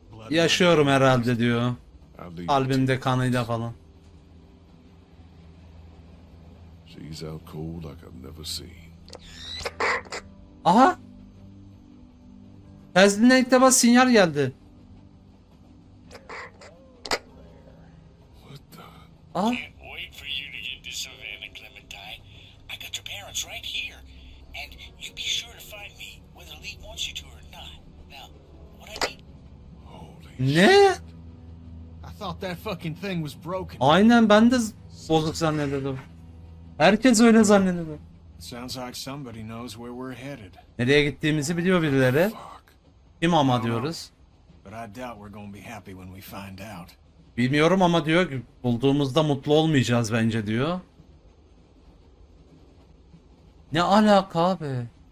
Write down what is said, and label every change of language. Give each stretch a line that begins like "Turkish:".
Turkish: Yaşıyorum herhalde diyor. Kalbimde kanıyla falan.
English: She's out cold like I've never seen. Aha!
Turkish: Fezlin'den ilk defa sinyal geldi.
English: Can't wait for you to get to Savannah, Clementine. I got your parents right here. And you be sure to find me whether Lee wants you to or not. Now, what I mean? Holy shit. I thought that fucking thing was broken.
Turkish: Aynen, ben de bozuk zannediyordum. Herkes öyle zannediyordu.
English: Sounds like somebody knows where we're headed.
Turkish: Nereye gittiğimizi biliyor birileri. Kim ama diyoruz.
English: But I doubt we're gonna be happy when we find out.
Turkish: Bilmiyorum ama diyor ki bulduğumuzda mutlu olmayacağız bence diyor. Ne alaka abi?